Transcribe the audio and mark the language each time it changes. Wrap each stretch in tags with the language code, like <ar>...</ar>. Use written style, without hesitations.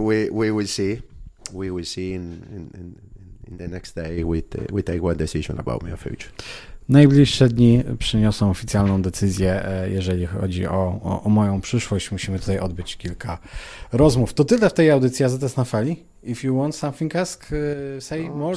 <en>We will see in the next day we take one decision about my future.</en> <pl>Najbliższe dni przyniosą oficjalną decyzję, jeżeli chodzi o moją przyszłość. Musimy tutaj odbyć kilka rozmów. To tyle w tej audycji AZS na fali.</pl> <en>If you want something, ask, say no, more</en>